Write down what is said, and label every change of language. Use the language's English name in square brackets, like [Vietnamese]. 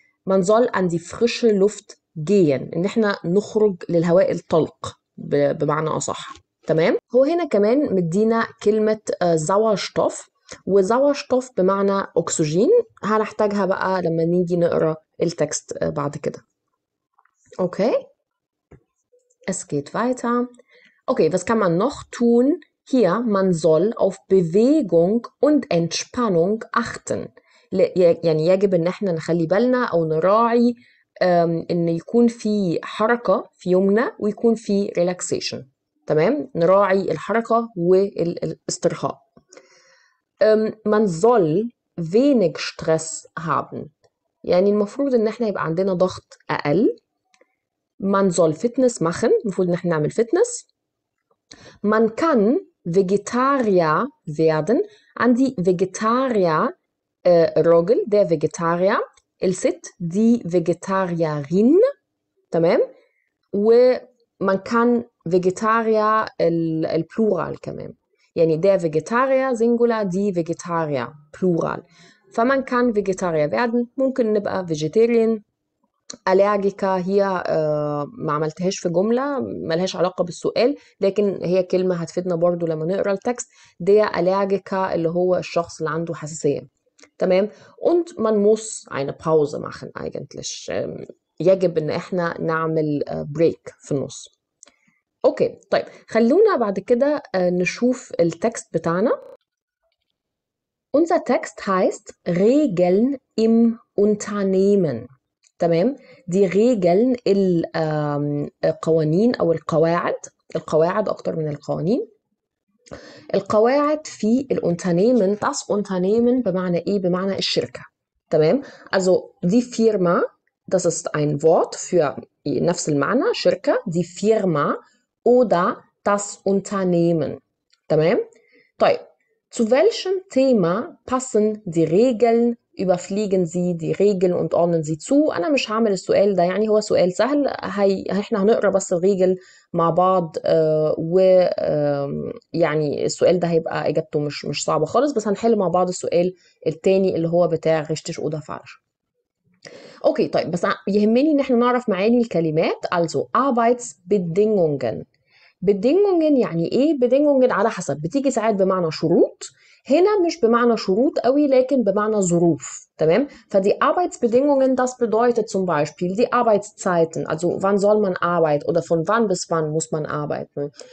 [German] Man soll an die frische Luft gehen. [Arabic] إن إحنا نخرج للهواء الطلق بمعنى أصح. تمام؟ هو هنا كمان مدينا كلمة زاورشتوف. وزاورشتوف بمعنى أكسجين. هنحتاجها بقى لما نيجي نقرأ التكست بعد كده. [German] أوكي؟ Es geht weiter. Okay, was kann man noch tun? Hier, man soll auf Bewegung und Entspannung achten. [Arabic] يعني يجب ان احنا نخلي بالنا او نراعي ان يكون في حركه في يومنا ويكون في ريلاكسيشن. تمام؟ نراعي الحركه والاسترخاء. [German] man soll wenig Stress haben. [Arabic] يعني المفروض ان احنا يبقى عندنا ضغط اقل. [German] Man soll Fitness machen. [Arabic] المفروض ان احنا نعمل Fitness. [German] Man kann Vegetarier werden. [Arabic] عندي Vegetarier الراجل, der Vegetarier. الست, die Vegetarierin. تمام؟ و [German] man kann Vegetarier [Arabic] الplural كمان. [German] يعني der Vegetarier singular, die Vegetarier plural. [Arabic] فمن كان فيجيتاريا werden, ممكن نبقى فيجيتيريان. Allergiker هي ما عملتهاش في جملة, ملهاش علاقة بالسؤال, لكن هي كلمة هتفيدنا برضو لما نقرأ التكست. der Allergiker اللي هو الشخص اللي عنده حساسية. تمام. [German] und man muss eine Pause machen eigentlich. [Arabic] يجب ان احنا نعمل بريك في النص. اوكي طيب, خلونا بعد كده نشوف التكست بتاعنا. [German] Unser Text heißt Regeln im Unternehmen. [Arabic] تمام. دي Regeln, القوانين او القواعد. القواعد اكتر من القوانين. القواعد في الunternehmen. Das Unternehmen بمعنى ايه؟ بمعنى الشركة. تمام. [German] Also die Firma, das ist ein Wort für [Arabic] نفس المعنى شركة. [German] Die Firma oder das Unternehmen. [Arabic] تمام. طيب, [German] zu welchem Thema passen die Regeln? Überfliegen Sie die Regeln und ordnen Sie zu. [Arabic] أنا مش هعمل السؤال ده, يعني هو سؤال سهل. احنا هنقرأ بس الريجل مع بعض, و يعني السؤال ده هيبقى إجابته مش صعبة خالص, بس هنحل مع بعض السؤال التاني اللي هو بتاع ريشتش أودا فارش. أوكي طيب, بس يهمني إن احنا نعرف معاني الكلمات. [German] Also Arbeitsbedingungen. [Arabic] Bedingungen يعني ايه؟ Bedingungen على حسب, بتيجي ساعات بمعنى شروط, هنا مش بمعنى شروط قوي لكن بمعنى ظروف. تمام. فدي [German] Arbeitsbedingungen, das bedeutet zum Beispiel die Arbeitszeiten, also wann soll man arbeiten oder von wann bis wann muss man arbeiten.